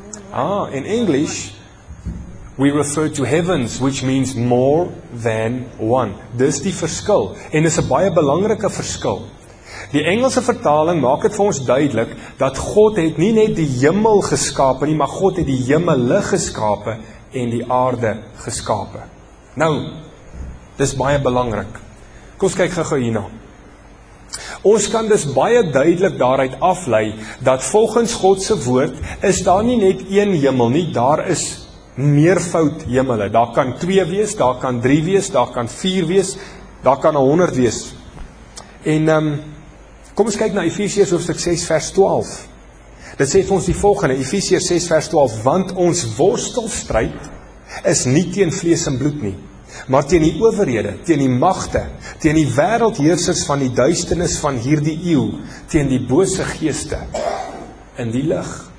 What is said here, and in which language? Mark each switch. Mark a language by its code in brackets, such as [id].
[en] Ah, in English, we refer to heavens, which means more than one. [af] Dis die verskil, en is 'n baie belangrike verskil. Die Engelse vertaling maak het vir ons duidelik, dat God het nie net die hemel geskape nie, maar God het die hemele geskape en die aarde geskape. Nou, dis baie belangrik. Kom ons kyk gou hierna. Ons kan dus baie duidelik daaruit aflei, dat volgens Godse woord, is daar nie net een hemel nie, daar is meervoud hemele. Daar kan 2 wees, daar kan 3 wees, daar kan 4 wees, daar kan 100 wees. En kom ons kyk na Efesiërs hoofstuk 6 vers 12. Dit sê vir ons die volgende, Efesiërs 6 vers 12, want ons worstelstryd is nie teen vlees en bloed nie, maar teen die owerhede, teen die magte, teen die wêreldheersers van die duisternis van hierdie eeu, teen die bose geeste in die lig.